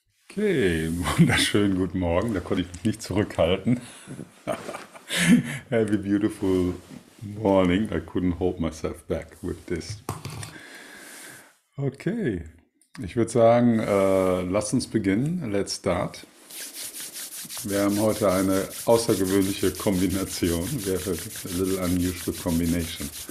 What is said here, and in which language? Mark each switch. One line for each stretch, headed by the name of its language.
German: Okay, wunderschönen guten Morgen, da konnte ich mich nicht zurückhalten.
English: Happy beautiful morning, I couldn't hold myself back with this.
German: Okay, ich würde sagen, lass uns beginnen,
English: let's start.
German: Wir haben heute eine außergewöhnliche Kombination,
English: we have a little unusual combination.